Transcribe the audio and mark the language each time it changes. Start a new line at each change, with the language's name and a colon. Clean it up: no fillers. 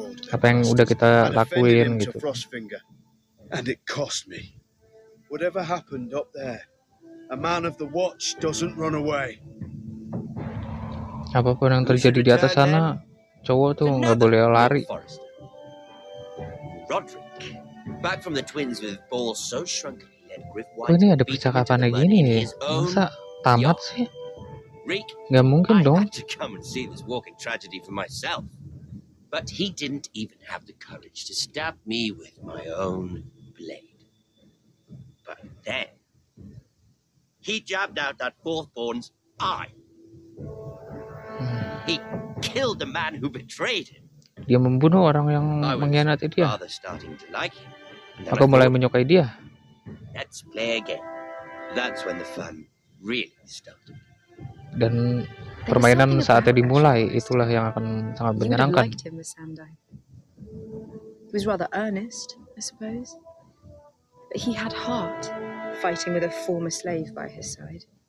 Indonesian: Apa yang udah kita lakuin gitu.
English: And it cost me. Whatever happened up there, a man of the watch doesn't run away.
Indonesian: Apapun yang terjadi di atas sana, cowok tuh nggak boleh lari.
English: Roderick, back from the twins with balls so shrunken he had Griff White.
Indonesian: Kok ini ada percakapan lagi nih, masa tamat sih? Gak mungkin dong.
English: I had to come and see this walking tragedy for myself. But he didn't even have the courage to stab me with my own blade. But then, he jabbed out that fourthborn's eye. He killed the man who betrayed him.
Indonesian: Dia membunuh orang yang mengkhianati dia. Aku mulai menyukai dia.
English: Let's play again. That's when the fun really started.
Indonesian: Dan permainan saatnya dimulai, itulah yang akan sangat menyenangkan.
English: He was rather earnest, I suppose. But he had heart, fighting with a former slave by his side.